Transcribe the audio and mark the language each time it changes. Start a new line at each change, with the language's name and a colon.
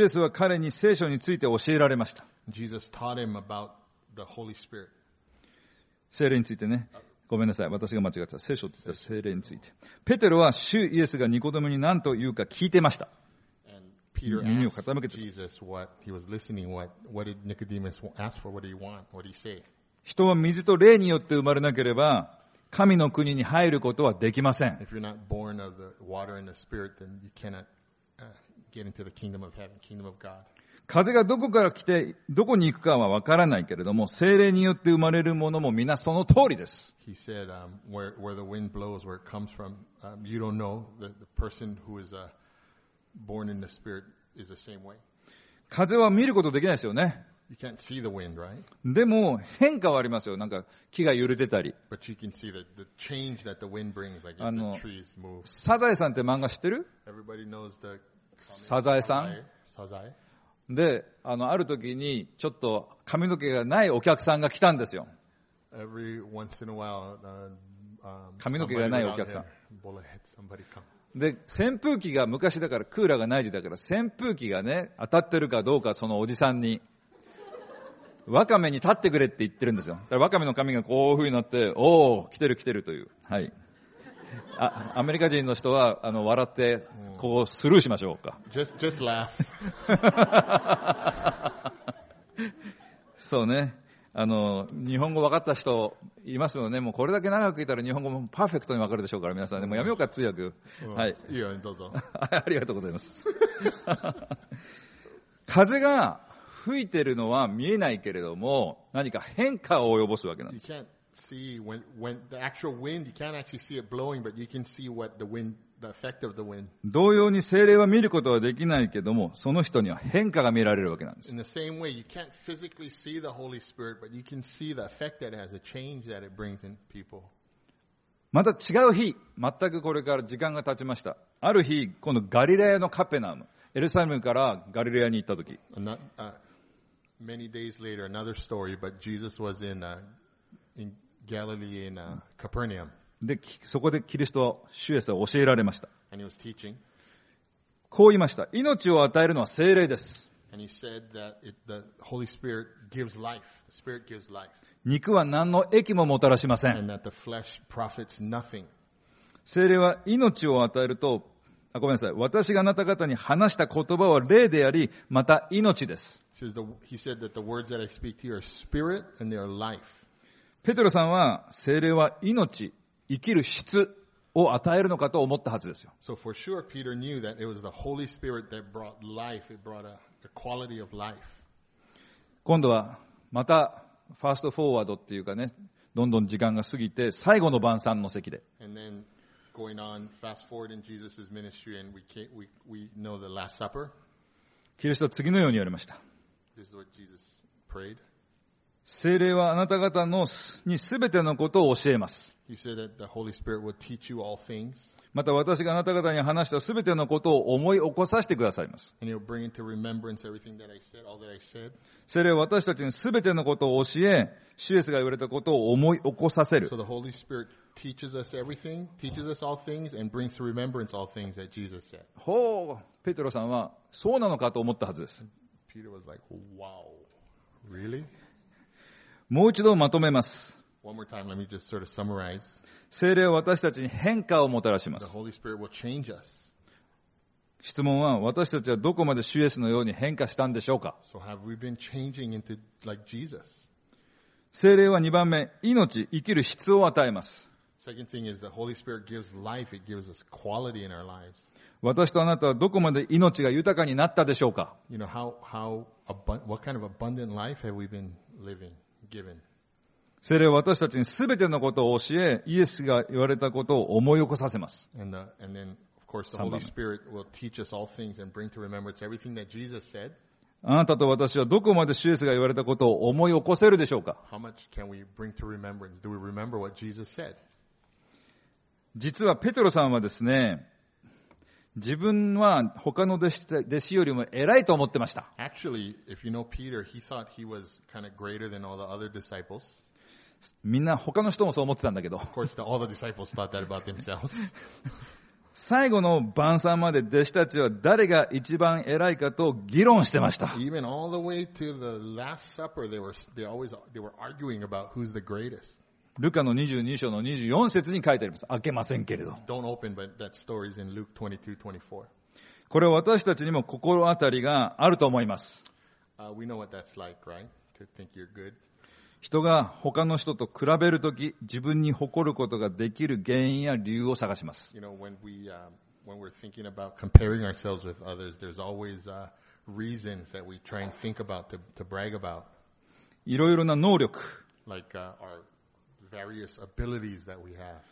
Japanese: イエスは彼に聖書について教えられました。
English: Jesus taught him about the Holy Spirit.
Japanese: 聖霊についてね。ごめんなさい、私が間違った。聖書って言った聖霊について。ペテロは主イエスがニコデモに何と言うか聞いてました。
English: Peter asked Jesus what he was listening, what did Nicodemus ask for, what did he want, what did he say?
Japanese: 人は水と霊によって生まれなければ神の国に入ることはできません。
English: If you're not born of the water and the spirit, then you cannot get into the kingdom of heaven, kingdom of God.
Japanese: 風がどこから来てどこに行くかはわからないけれども、聖霊によって生まれるものもみなその通りです。
English: He said, where the wind blows, where it comes from, you don't know that the person who is born in the spirit is the same way.
Japanese: 風は見ることできないですよね。
English: You can't see the wind, right?
Japanese: でも変化はありますよ。なんか木が揺れてたり。
English: But you can see the change that the wind brings, like if the trees move.
Japanese: サザエさんって漫画知ってる？
English: Everybody knows the
Japanese: サザエさん。サザエ。で、ある時にちょっと髪の毛がないお客さんが来たんですよ。
English: Every once in a while,
Japanese: 髪の毛がないお客さん。
English: Bullet head, somebody come.
Japanese: で、扇風機が昔だから、クーラーがない時だから、扇風機がね、当たってるかどうか、そのおじさんに、ワカメに立ってくれって言ってるんですよ。だからワカメの髪がこういう風になって、おー、来てる来てるという。はい。アメリカ人の人は、笑って、こうスルーしましょうか。
English: just laugh.
Japanese: そうね。日本語分かった人いますよね。もうこれだけ長くいたら日本語もパーフェクトに分かるでしょうから、皆さん。でもやめようか、通訳。はい。いいよ、どうぞ。ありがとうございます。風が吹いてるのは見えないけれども、何か変化を及ぼすわけなんです。
English: You can't see when the actual wind, you can't actually see it blowing, but you can see what the wind, the effect of the wind.
Japanese: 同様に聖霊は見ることはできないけども、その人には変化が見られるわけなんです。
English: In the same way, you can't physically see the Holy Spirit, but you can see the effect that it has, a change that it brings in people.
Japanese: また違う日、全くこれから時間が経ちました。ある日、このガリラヤのカペナム、エルサレムからガリラヤに行ったとき。
English: Many days later, another story, but Jesus was in Galilee in Capernaum.
Japanese: で、そこでキリストは、主イエスは教えられました。
English: And he was teaching.
Japanese: こう言いました。命を与えるのは聖霊です。
English: And he said that the Holy Spirit gives life. The Spirit gives life.
Japanese: 肉は何の益ももたらしません。
English: And that the flesh profits nothing.
Japanese: 聖霊は命を与えると、ごめんなさい。私があなた方に話した言葉は霊であり、また命です。
English: He said that the words that I speak to you are spirit and they are life.
Japanese: ペテロさんは聖霊は命、生きる質を与えるのかと思ったはずですよ。
English: So for sure, Peter knew that it was the Holy Spirit that brought life. It brought a quality of life.
Japanese: 今度はまたファーストフォーワードっていうかね、どんどん時間が過ぎて最後の晩餐の席で。
English: And then,Going on fast forward in Jesus's ministry, and we know the Last Supper.
Japanese: キリストは次のように言われました。
English: This is what Jesus prayed.
Japanese: 聖霊はあなた方のにすべてのことを教えます。
English: He said that the Holy Spirit would teach you all things.
Japanese: また私があなた方に話したすべてのことを思い起こさせてくださいます。
English: And he'll bring into remembrance everything that I said, all that I said.
Japanese: 聖霊は私たちにすべてのことを教え、主イエスが言われたことを思い起こさせる。
English: So the Holy Spiritteaches us everything, teaches us all things, and brings to remembrance all things that Jesus said.
Japanese: ほう、ペテロさんはそうなのかと思ったはずです。
English: Peter was like, wow, really?
Japanese: もう一度まとめます。
English: One more time, let me just sort of summarize.
Japanese: 聖霊は私たちに変化をもたらします。
English: The Holy Spirit will change us.
Japanese: 質問は、私たちはどこまで主イエスのように変化したんでしょうか。
English: So have we been changing into like Jesus?
Japanese: 聖霊は二番目、命、生きる質を与えます。
English: Second thing is the Holy Spirit gives life. It gives us quality in our lives.
Japanese: 私とあなたはどこまで命が豊かになったでしょうか。
English: You know how what kind of abundant life have we been living, given?
Japanese: 聖霊は私たちにすべてのことを教え、イエスが言われたことを思い起こさせます。
English: And then of course the Holy Spirit will teach us all things and bring to remembrance everything that Jesus said.
Japanese: あなたと私はどこまでシュエスが言われたことを思い起こせるでしょうか。
English: How much can we bring to remembrance? Do we remember what Jesus said?
Japanese: 実はペテロさんはですね、自分は他の弟子よりも偉いと思ってました。
English: Actually, if you know Peter, he thought he was kind of greater than all the other disciples.
Japanese: みんな他の人もそう思ってたんだけど。
English: Of course, all the disciples thought that about themselves.
Japanese: 最後の晩餐まで弟子たちは誰が一番偉いかと議論してました。 Even all the way to the last supper, they were arguing about who's the greatest. ルカの22章の24節に書いてあります。開けませんけれど。
English: Don't open, but that story's in Luke 22:24.
Japanese: これは私たちにも心当たりがあると思います。
English: We know what that's like, right? To think you're good.
Japanese: 人が他の人と比べるとき、自分に誇ることができる原因や理由を探します。
English: You know, when we, when we're thinking about comparing ourselves with others, there's always reasons that we try and think about to brag about.
Japanese: いろいろな能力。
English: Like our various abilities that we have.